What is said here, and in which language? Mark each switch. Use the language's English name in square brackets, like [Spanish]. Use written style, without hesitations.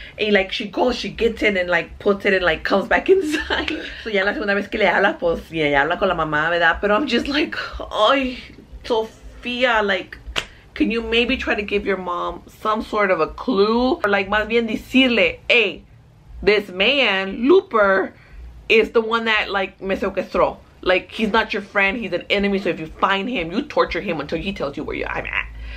[English] And, like, she goes, she gets in and, like, puts it and, like, comes back inside. [Spanish] So, ya la segunda vez que le habla, pues, ya habla con la mamá, ¿verdad? [English] But I'm just like, ay, Sofía, like... Can you maybe try to give your mom some sort of a clue? Or like, [Spanish] más bien decirle, [English] hey, this man, Looper, is the one that, like, [Spanish] me secuestró. [English] Like, he's not your friend, he's an enemy, so if you find him, you torture him until he tells you where I'm at.